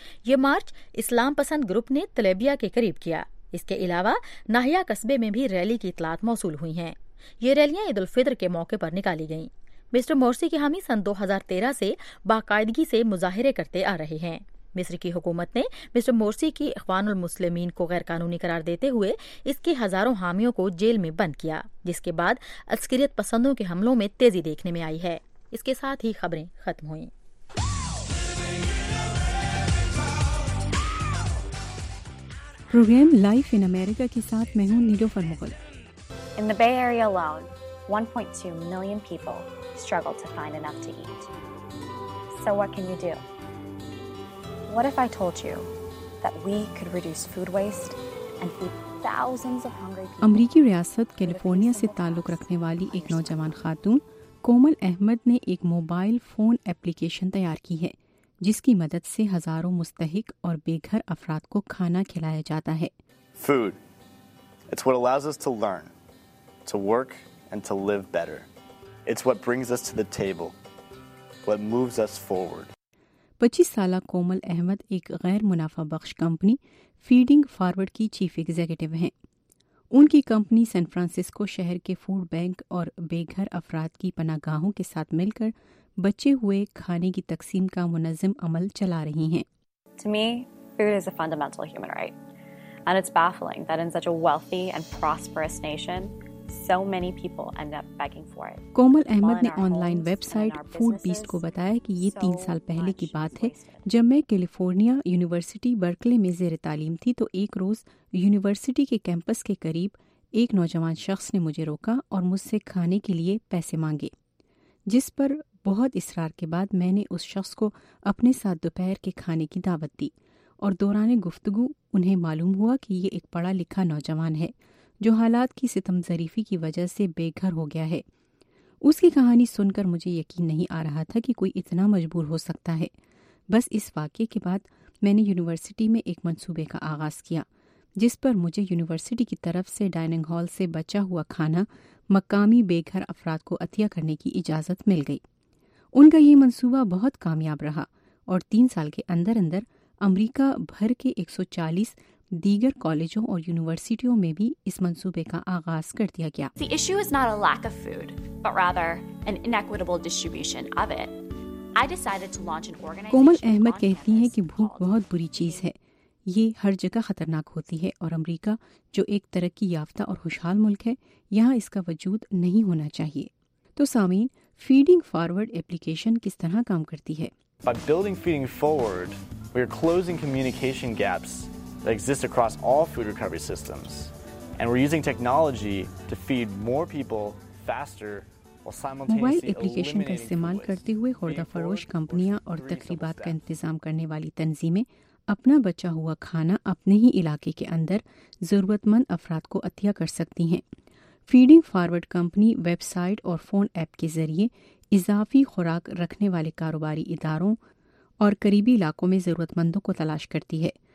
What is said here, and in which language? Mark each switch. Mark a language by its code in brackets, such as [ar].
[ur] یہ مارچ اسلام پسند گروپ نے طلیبیہ کے قریب کیا۔ اس کے علاوہ ناحیہ قصبے میں بھی ریلی کی اطلاعات موصول ہوئی ہیں۔ یہ ریلیاں عید الفطر کے موقع پر نکالی گئیں۔ مسٹر مورسی کے حامی سن 2013 سے باقاعدگی سے مظاہرے کرتے آ رہے ہیں۔ مصر کی حکومت نے مسٹر مورسی کی اخوان المسلمین کو غیر قانونی قرار دیتے ہوئے اس کے ہزاروں حامیوں کو جیل میں بند کیا، جس کے بعد عسکریت پسندوں کے حملوں میں تیزی دیکھنے میں آئی ہے۔ اس کے ساتھ ہی خبریں ختم ہوئیں۔ پروگرام لائف ان امریکہ کے ساتھ میں ہوں نیلوفر Mughal. [en] In the Bay Area alone, 1.2 million people struggle to find enough to eat. So what can you do? What if I told you that we could reduce food waste and feed thousands of hungry people? [ur] امریکی ریاست California سے تعلق رکھنے والی ایک نوجوان خاتون کومل احمد نے ایک موبائل فون اپلیکیشن تیار کی ہے، جس کی مدد سے ہزاروں مستحق اور بے گھر افراد کو کھانا کھلایا جاتا ہے۔ [en] Food. It's what allows us to learn, to work and to live better. It's what brings us to the table, what moves us forward. [ur] 25 سالہ کومل احمد ایک غیر منافع بخش کمپنی فیڈنگ فارورڈ کی چیف ایگزیکٹو ہیں۔ ان کی کمپنی سین فرانسسکو شہر کے food bank اور بے گھر افراد کی پناہ گاہوں کے ساتھ مل کر بچے ہوئے کھانے کی تقسیم کا منظم عمل چلا رہی ہیں۔ [en] To me, food is a fundamental human right. And it's baffling that in such a wealthy and prosperous nation, so many people end up begging for it. [ur] کومل احمد نے on line web site food best کو بتایا کہ یہ 3 سال پہلے کی بات ہے، جب میں کیلیفورنیا یونیورسٹی برکلے میں زیر تعلیم تھی تو ایک روز یونیورسٹی کے کیمپس کے قریب ایک نوجوان شخص نے مجھے روکا اور مجھ سے کھانے کے لیے پیسے مانگے، جس پر بہت اصرار کے بعد میں نے اس شخص کو اپنے ساتھ دوپہر کے کھانے کی دعوت دی، اور دوران گفتگو انہیں معلوم ہوا کہ یہ ایک پڑھا لکھا نوجوان ہے جو حالات کی ستم ظریفی کی وجہ سے بے گھر ہو گیا ہے۔ اس کی کہانی سن کر مجھے یقین نہیں آ رہا تھا کہ کوئی اتنا مجبور ہو سکتا ہے۔ بس اس واقعے کے بعد میں نے یونیورسٹی میں ایک منصوبے کا آغاز کیا، جس پر مجھے یونیورسٹی کی طرف سے ڈائننگ ہال سے بچا ہوا کھانا مقامی بے گھر افراد کو عطیہ کرنے کی اجازت مل گئی۔ ان کا یہ منصوبہ بہت کامیاب رہا، اور 3 سال کے اندر اندر امریکہ بھر کے 140 دیگر کالجوں اور یونیورسٹیوں میں بھی اس منصوبے کا آغاز کر دیا گیا۔ [en] The issue is not a lack of food, but rather an inequitable distribution of it. I decided to launch an organization. [ur] کومل احمد کہتی ہے کہ بھوک بہت بری چیز ہے، یہ ہر جگہ خطرناک ہوتی ہے، اور امریکہ جو ایک ترقی یافتہ اور خوشحال ملک ہے، یہاں اس کا وجود نہیں ہونا چاہیے۔ تو سامعین، فیڈنگ فارورڈ اپلیکیشن کس طرح کام کرتی ہے؟ [en] By building feeding forward, we are closing communication gaps that exist across all food recovery systems, and we're using technology to feed more people faster while simultaneously [ur] mobile application کا استعمال کرتے ہوئے خوردہ فروش کمپنیاں اور تقریبات کا انتظام کرنے والی تنظیمیں اپنا بچا ہوا کھانا اپنے ہی علاقے کے اندر ضرورت مند افراد کو عطیہ کر سکتی ہیں۔ Feeding forward company web site اور فون ایپ کے ذریعے اضافی خوراک رکھنے والے کاروباری اداروں اور قریبی علاقوں میں ضرورت مندوں کو تلاش کرتی ہے۔